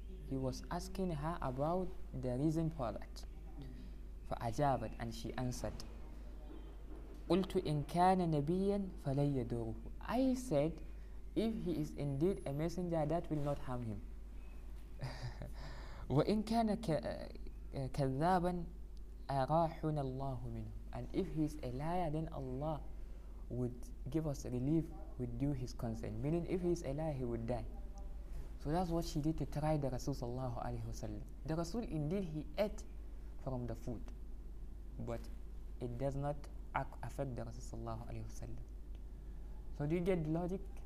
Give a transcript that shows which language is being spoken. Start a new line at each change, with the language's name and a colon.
English: He was asking her about the reason for that.
Arabic: فأجابت,
English: and she answered.
Arabic: قلت إن كان نبيا فلن يضره.
English: I said, if he is indeed a messenger, that will not harm him.
Arabic: وإن كان كذابا أراحنا الله منه.
English: And if he is a liar, then Allah would give us relief with due his consent. Meaning, if he is a liar, he would die. So that's what she did to try the Rasul sallallahu alayhi wa sallam. The Rasul, indeed, he ate from the food. But it does not affect the Rasul sallallahu alayhi wa sallam. So do you get the logic?